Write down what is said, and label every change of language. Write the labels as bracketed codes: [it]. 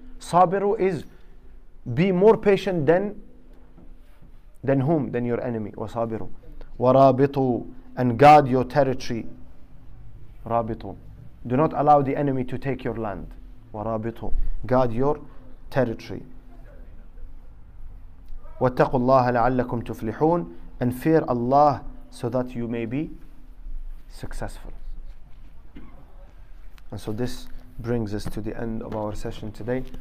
[en] Sabiru is be more patient than whom? Than your enemy. Wasabiru. Warabitu. And guard your territory. Rabitu. Do not allow the enemy to take your land. Warabitu. Guard your territory. [ar] واتقوا الله لعلكم تفلحون. [en] And fear Allah so that you may be successful. And so this brings us to the end of our session today.